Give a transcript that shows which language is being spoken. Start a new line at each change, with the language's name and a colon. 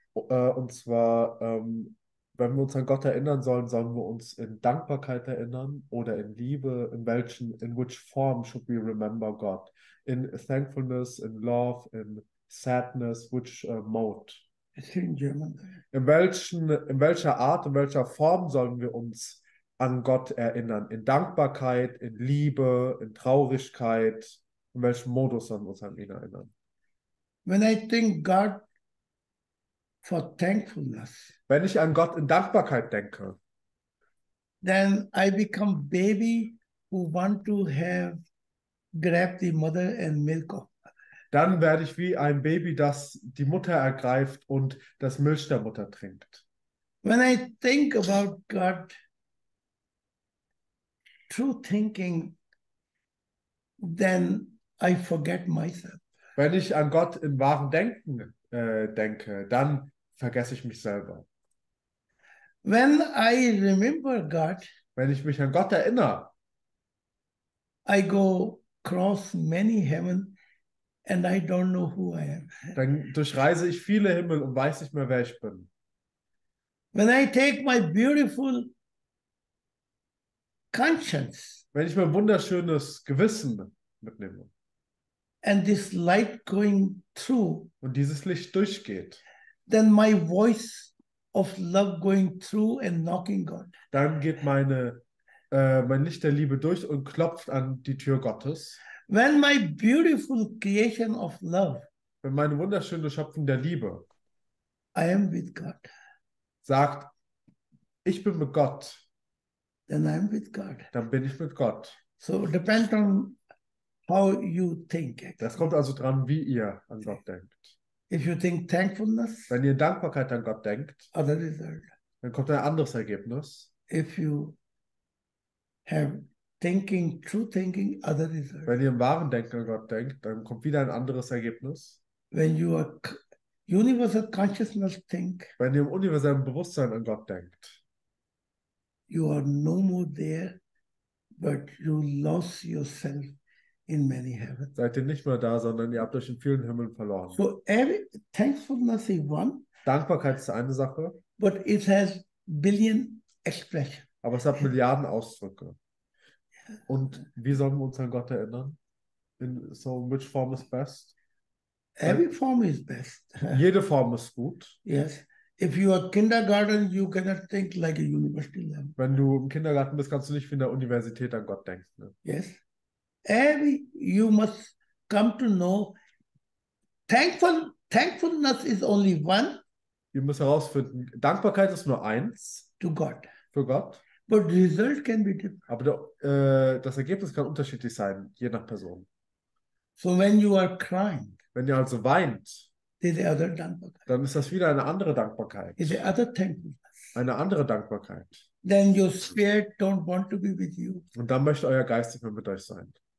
German: Und zwar, wenn wir uns an Gott erinnern sollen, sollen wir uns in Dankbarkeit erinnern oder in Liebe?
English: In which form should we remember God? In thankfulness, in love, in sadness, which mode? It's in German.
German: In welcher Form sollen wir uns an Gott erinnern? In Dankbarkeit, in Liebe, in Traurigkeit? In welchem Modus sollen wir uns an ihn erinnern?
English: When I think God for thankfulness.
German: Wenn ich an Gott in Dankbarkeit denke,
English: then I become baby who want to have grab the mother and milk of.
German: Dann werde ich wie ein Baby, das die Mutter ergreift und das Milch der Mutter trinkt.
English: When I think about God, true thinking, then I forget myself.
German: Wenn ich an Gott im wahren Denken denke, dann vergesse ich mich selber.
English: When I remember God,
German: wenn ich mich an Gott erinnere,
English: I go cross many heaven and I don't know who I am.
German: Dann durchreise ich viele Himmel und weiß nicht mehr, wer ich bin.
English: When I take my beautiful conscience,
German: wenn ich mein wunderschönes Gewissen mitnehme
English: and this light going through,
German: und dieses Licht durchgeht,
English: then my voice of love going through and knocking God.
German: Dann geht mein Licht der Liebe durch und klopft an die Tür Gottes.
English: When my beautiful creation of love,
German: wenn meine wunderschöne Schöpfung der Liebe,
English: I am with God,
German: sagt, ich bin mit Gott,
English: then I am with God.
German: Dann bin ich mit Gott.
English: So it depends on how you think.
German: Das kommt also dran, wie ihr an Gott denkt.
English: If you think thankfulness,
German: wenn ihr Dankbarkeit an Gott denkt,
English: other result,
German: dann kommt ein anderes Ergebnis.
English: If you have thinking, true thinking, other result,
German: wenn ihr im wahren Denken an Gott denkt, dann kommt wieder ein anderes Ergebnis.
English: When you are universal consciousness think,
German: wenn ihr im universellen Bewusstsein an Gott denkt,
English: you are no more there, but you lost yourself in many heavens.
German: Seid ihr nicht mehr da, sondern ihr habt euch in vielen Himmeln verloren.
English: So every thankfulness is one.
German: Dankbarkeit ist eine Sache.
English: But it has billion expressions.
German: Aber es hat Milliarden Ausdrücke. Und wie sollen wir uns an Gott erinnern?
English: So which form is best? Every form is best.
German: Jede Form ist gut.
English: Yes. If you are kindergarten, you cannot think like a university level.
German: Wenn du im Kindergarten bist, kannst du nicht wie in der Universität an Gott denken. Ne?
English: Yes. Every you must come to know thankfulness is only one.
German: Ihr müsst herausfinden, Dankbarkeit ist nur eins.
English: To God.
German: Für Gott.
English: But the result can be different.
German: Aber das Ergebnis kann unterschiedlich sein, je nach Person.
English: So when you are crying,
German: wenn ihr also weint,
English: the other Dankbarkeit,
German: dann ist das wieder eine andere Dankbarkeit.
English: The other thankfulness.
German: Eine andere Dankbarkeit.
English: Then your spirit don't want to be with you.
German: Und dann möchte euer Geist nicht mehr mit euch sein.